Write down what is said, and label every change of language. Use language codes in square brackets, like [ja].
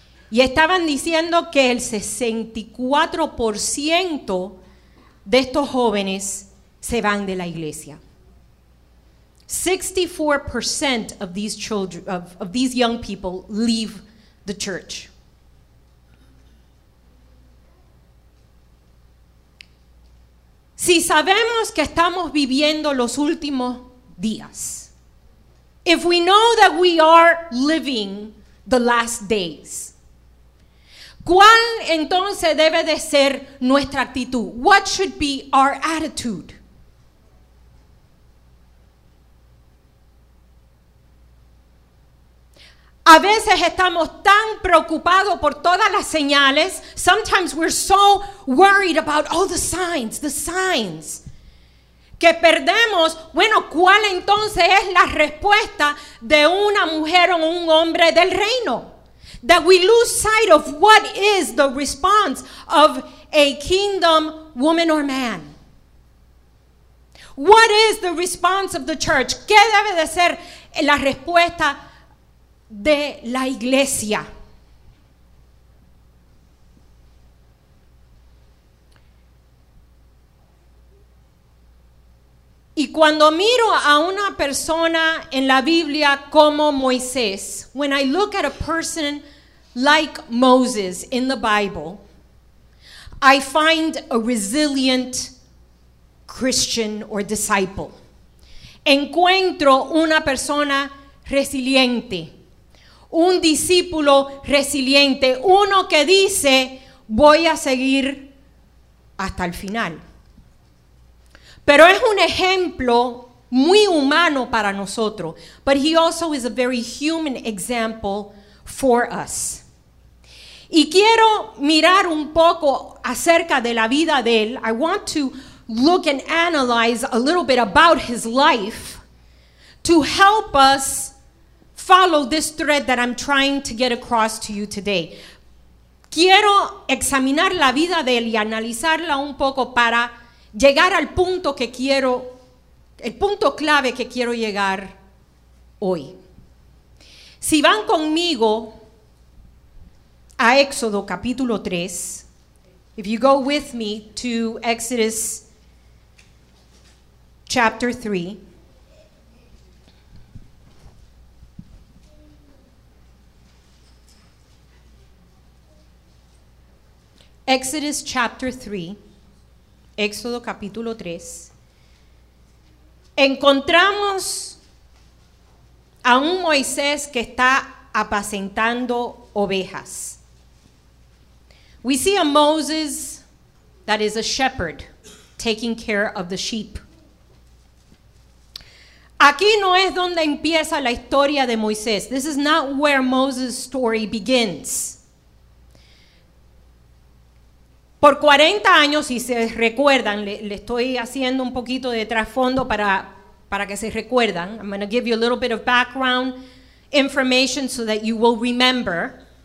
[es] Y estaban diciendo que el 64% de estos jóvenes se van de la iglesia. [en] 64% of these children, of these young people leave the church. [es] Si sabemos que estamos viviendo los últimos días, [en] if we know that we are living the last days, [es] ¿cuál entonces debe de ser nuestra actitud? [en] What should be our attitude? [es] A veces estamos tan preocupados por todas las señales. [en] Sometimes we're so worried about all the signs. [es] Que perdemos, bueno, ¿cuál entonces es la respuesta de una mujer o un hombre del reino? [en] That we lose sight of what is the response of a kingdom woman or man. What is the response of the church? [es] ¿Qué debe de ser la respuesta de la iglesia? Y cuando miro a una persona en la Biblia como Moisés, [en] when I look at a person like Moses in the Bible, I find a resilient Christian or disciple. [es] Encuentro una persona resiliente, un discípulo resiliente, uno que dice, voy a seguir hasta el final. Pero es un ejemplo muy humano para nosotros. [en] But he also is a very human example for us. [es] Y quiero mirar un poco acerca de la vida de él. [en] I want to look and analyze a little bit about his life to help us follow this thread that I'm trying to get across to you today. [es] Quiero examinar la vida de él y analizarla un poco para llegar al punto que quiero, el punto clave que quiero llegar hoy. Si van conmigo a Éxodo capítulo 3, [en] if you go with me to Exodus chapter 3, Exodus chapter 3, [es] Éxodo capítulo 3, encontramos a un Moisés que está apacentando ovejas. [en] We see a Moses that is a shepherd taking care of the sheep. [es] Aquí no es donde empieza la historia de Moisés. [en] This is not where Moses' story begins. [es] Por 40 años, si se recuerdan, le estoy haciendo un poquito de trasfondo para que se recuerdan. [en] I'm going to give you a little bit of background information so that you will remember.